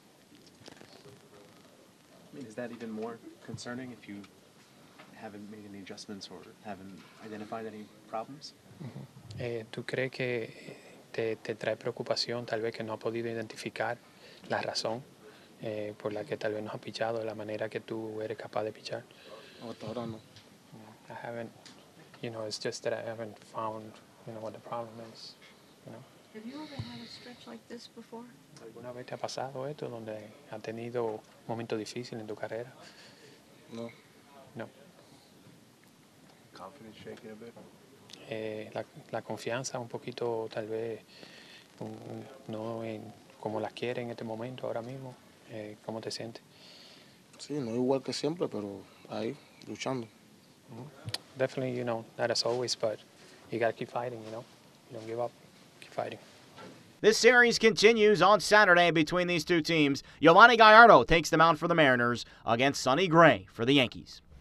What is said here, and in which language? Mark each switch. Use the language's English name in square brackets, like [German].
[English] I mean, is that even more concerning if you haven't made any adjustments or haven't identified any problems? Mm-hmm. [Spanish] ¿Tú crees que te trae preocupación tal vez que no ha podido identificar la razón? Por la que tal vez no ha pichado de la manera que tú eres capaz de pichar. Ahora no. [English] I haven't, you know, it's just that I haven't found, you know, what the problem is, you know. Have you ever had a stretch like this before? [Spanish] ¿Alguna vez te ha pasado esto donde ha tenido un momento difícil en tu carrera? No. No. [English] Confidence shaking a bit? [Spanish] La confianza un poquito tal vez no en como la quiere en este momento ahora mismo. ¿Cómo te sientes? Sí, no igual que siempre, pero ahí, luchando. Mm-hmm. [English] Definitely, you know, not as always, but you gotta keep fighting, you know? You don't give up, keep fighting. This series continues on Saturday between these two teams. Yovani Gallardo takes the mound for the Mariners against Sonny Gray for the Yankees.